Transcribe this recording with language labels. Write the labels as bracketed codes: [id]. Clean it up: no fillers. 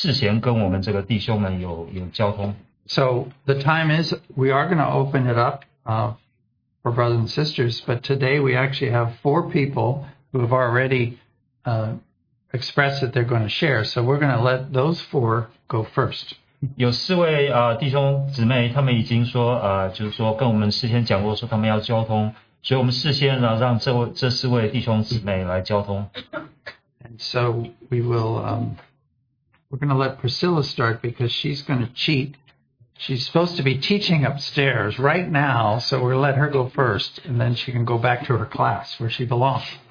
[zh] 两周前我们有就提醒弟兄姊妹，希望这一次我们能够尝试，如果弟兄姊妹有需要交通的话，能够跟事前跟我们这个弟兄们有交通。 [en] So the time is, we are going to open it up for brothers and sisters, but today we actually have 4 people who have already expressed that they're going to share. So we're going to let those 4 go first. [zh] 有4位弟兄姊妹，他们已经说，就是说跟我们事先讲过说他们要交通，所以我们事先让这4位弟兄姊妹来交通。 [en] And so we will, we're going to let Priscilla start because she's going to cheat. She's supposed to be teaching upstairs right now, so we'll let her go first, and then she can go back to her class where she belongs.